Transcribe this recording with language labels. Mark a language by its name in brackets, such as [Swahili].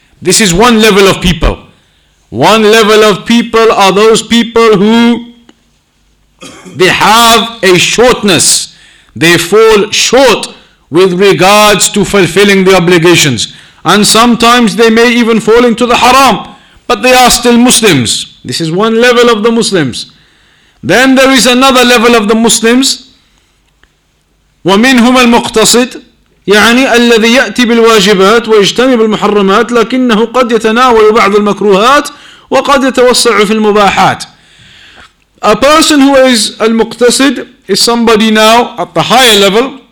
[English] This is one level of people. One level of people are those people who they have a shortness. They fall short with regards to fulfilling the obligations, and sometimes they may even fall into the haram, but they are still Muslims. This is one level of the Muslims. Then there is another level of the Muslims. [Arabic] ومنهم المقتصد يعني الذي يأتي بالواجبات ويجتنب المحرمات لكنه قد يتناول بعض المكروهات وقد يتوسع في المباحات. [English] A person who is المقتصد is somebody now at the higher level.